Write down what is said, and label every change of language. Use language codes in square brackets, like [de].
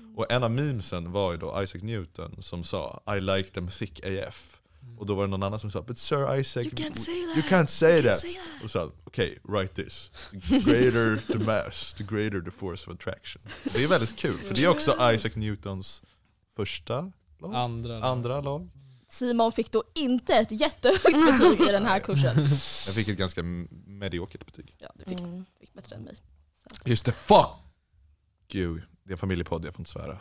[sv] Och en av memesen var ju då Isaac Newton som sa [en] I like them thick AF. [sv] Och då var det någon annan som sa, [en] but Sir Isaac, you can't say that. [sv] Och sa, [en] okay, write this. The greater the mass, the greater the force of attraction. [sv] Det är väldigt kul, för det är också Isaac Newtons första lag. Andra lag. Simon fick då inte ett jättehögt betyg i den här kursen. Jag fick ett ganska mediokert betyg. Ja, du fick bättre än mig. Så. Just det, fuck! Gud, det är en familjepodd, jag får inte svära.